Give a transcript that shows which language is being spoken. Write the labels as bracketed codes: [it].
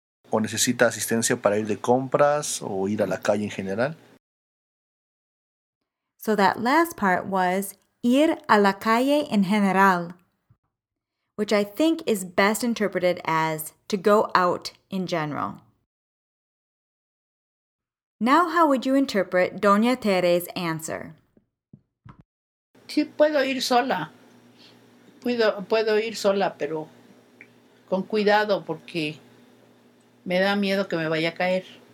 [es] ¿O necesita asistencia para ir de compras o ir a la calle en general? [en] So that last part was [es] ir a la calle en general, [en] which I think is best interpreted as to go out in general. Now, how would you interpret Doña Tere's answer? [es] Sí, puedo ir sola. Puedo ir sola, pero con cuidado porque me da miedo que me vaya a caer.